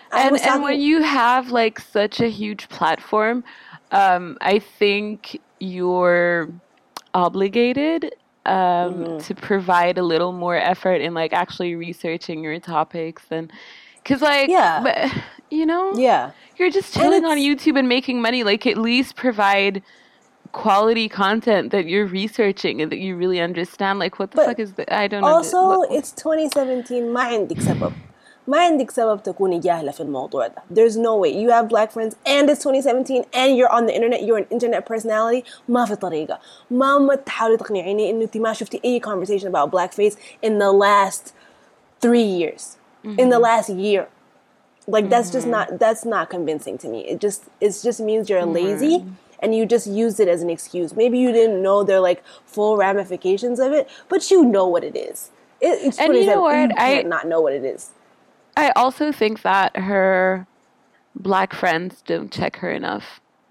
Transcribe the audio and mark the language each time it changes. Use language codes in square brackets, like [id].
[en] And when you have like such a huge platform, I think you're obligated to provide a little more effort in like actually researching your topics, and because like you're just chilling on YouTube and making money, like at least provide quality content that you're researching and that you really understand. Like what the fuck is the, I don't also it's 2017. [ar] ما عندك سبب تكوني جاهلة في الموضوع ده. [en] There's no way. You have black friends and it's 2017 and you're on the internet. You're an internet personality. [ar] ما في طريقة. ما تحاولي تقنعيني إنه انتي ما شفتي أي [en] conversation about blackface in the last 3 years. Mm-hmm. In the last year. Like, that's just not, that's not convincing to me. It just means you're lazy and you just used it as an excuse. Maybe you didn't know there are like full ramifications of it, but you know what it is. It's and you know what? You can't not know what it is. I also think that her black friends don't check her enough.